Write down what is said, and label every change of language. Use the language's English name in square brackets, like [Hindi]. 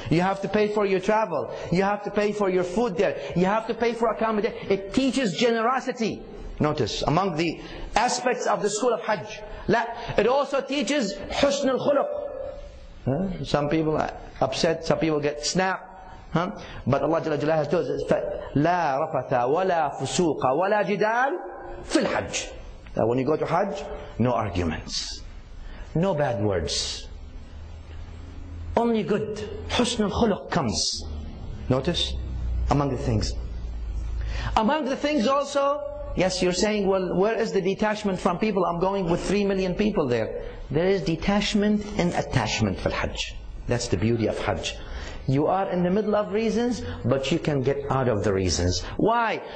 [English] You have to pay for your travel. You have to pay for your food there. You have to pay for accommodation. It teaches generosity. Notice, among the aspects of the school of Hajj, it also teaches husnul khuluq. Huh? Some people are upset, some people get snapped. Huh? But Allah Jalla Jalla has told us, [Arabic] لا رفث ولا فسوق ولا جدال في الحج. [English] That when you go to Hajj, no arguments. No bad words. Only good. [Arabic] حسن الخلق [English] comes. Notice? Among the things. Among the things also, yes, you're saying, well, where is the detachment from people? I'm going with 3 million people there. There is detachment and attachment for Hajj. That's the beauty of Hajj. You are in the middle of reasons, but you can get out of the reasons. Why?